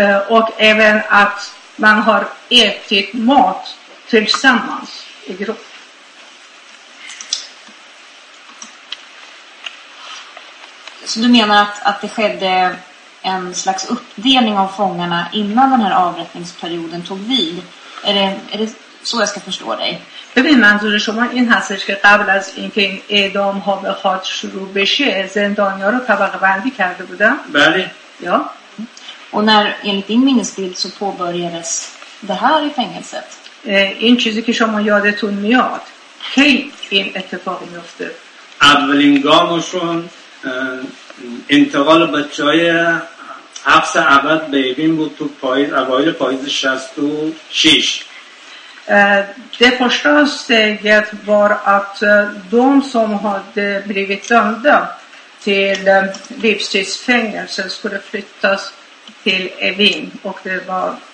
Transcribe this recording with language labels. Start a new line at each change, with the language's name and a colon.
Swedish: و även att man har ätit mat tillsammans i grupp. Så du menar att det skedde en slags uppdelning av fångarna innan den här avrättningsperioden tog vid? Är det så jag ska förstå dig?
Persian: ببین منظور شما این هستش که قبل از اینکه این اعدام ها بخواد شروع بشه زندانیا رو طبقه بندی کرده بودن؟ بله. یا؟
Swedish: اونر enligt din minnesbild så påbörjades det här i fängelset.
Persian: این چیزی که شما یادتون میاد کی این اتفاق میفته؟ اولین گامشون انتقال بچهای حبس ابد به این بود تو پاییز اوایل پاییز 66.
Swedish: Det första steget var att de som hade blivit dömda till livstidsfängelse skulle flyttas till Evin och det var